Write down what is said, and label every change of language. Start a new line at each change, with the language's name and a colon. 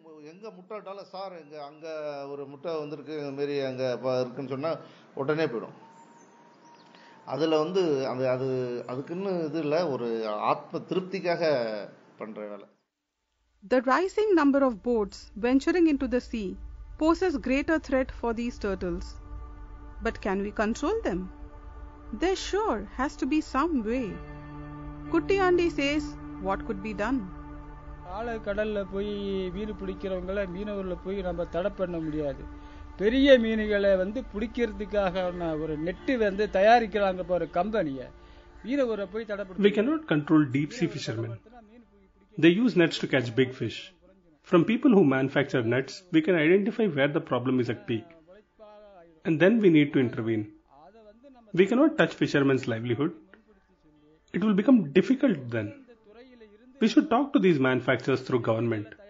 Tamil: எங்க முட்டை விட்டாலும் சார் எங்க அங்க ஒரு முட்டை வந்திருக்கு இந்த மாரி அங்க இருக்குன்னு சொன்னா உடனே போயிடும். அதுல வந்து அந்த அது அதுக்குன்னு இது இல்லை, ஒரு ஆத்ம திருப்திக்காக பண்ற வேலை.
English: The rising number of boats venturing into the sea poses greater threat for these turtles. But can we control them? There sure has to be some way. Kutti Andy says, what could be done?
Tamil: ஆழக்கடலில் போய் மீன் பிடிக்கிறவங்களை மீனவர்களை போய் நம்ம தடை பண்ண முடியாது. பெரிய மீன்களை வந்து பிடிக்கிறதுக்காக ஒரு நெட்டு வந்து தயாரிக்கிறாங்க போற கம்பெனியை மீனவரை போய் தடைப்படுத்த.
English: We cannot control deep sea fishermen. They use nets to catch big fish. From people who manufacture nets, we can identify where the problem is at peak. And then we need to intervene. We cannot touch fishermen's livelihood. It will become difficult then. We should talk to these manufacturers through government.